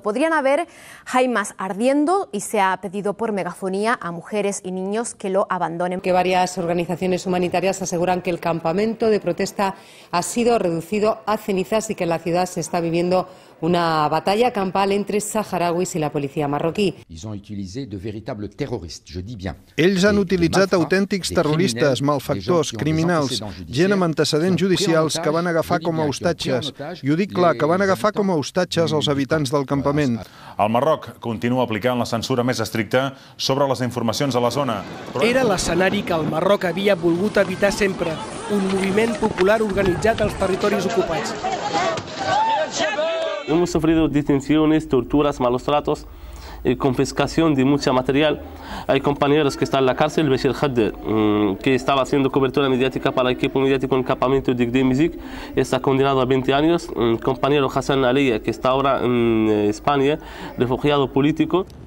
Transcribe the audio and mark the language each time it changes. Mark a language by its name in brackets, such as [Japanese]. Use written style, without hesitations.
[Spanish] Podrían haber jaimas ardiendo y se ha pedido por megafonía a mujeres y niños que lo abandonen. Que varias organizaciones humanitarias aseguran que el campamento de protesta ha sido reducido a cenizas y que en la ciudad se está viviendo una batalla campal entre saharauis y la policía marroquí. [French] Ils ont utilisé de véritables terroristes, je dis bien. [Catalan] Ells han utilitzat autèntics terroristes, malfactors, criminals, gent amb antecedents judicials que van agafar com a hostatges. I ho dic clar, que van agafar com a hostatges els habitants del campament. El Marroc continua aplicant la censura més estricta sobre les informacions a la zona. Era l'escenari que el Marroc havia volgut evitar sempre, un moviment popular organitzat als territoris ocupats. [Spanish] Hemos sufrido detenciones, torturas, malos tratos y confiscación de mucho material. Hay compañeros que están en la cárcel, Bashir Khader, que estaba haciendo cobertura mediática para el equipo mediático en el campamento de Gdemizik, está condenado a 20 años. Compañero Hassan Aliya, que está ahora en España, refugiado político.